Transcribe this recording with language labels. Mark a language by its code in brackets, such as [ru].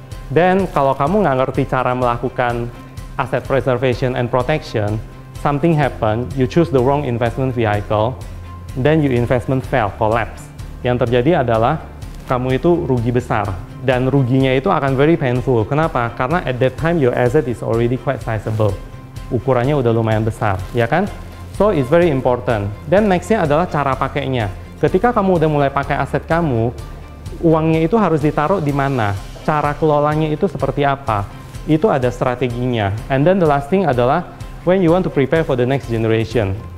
[en] Then, [id] kalau kamu nggak ngerti cara melakukan [en] asset preservation and protection, something happen, you choose the wrong investment vehicle, then your investment fail, collapse. [id] Yang terjadi adalah kamu itu rugi besar. Dan ruginya itu akan [en] very painful. [id] Kenapa? [en] Karena at that time your asset is already quite sizable. [id] Ukurannya udah lumayan besar, ya kan? [en] So it's very important. [id] Then next-nya adalah cara pakainya. Ketika kamu udah mulai pakai aset kamu, uangnya itu harus ditaruh di mana? Cara kelolanya itu seperti apa? Itu ada strateginya. [en] And then the last thing adalah when you want to prepare for the next generation.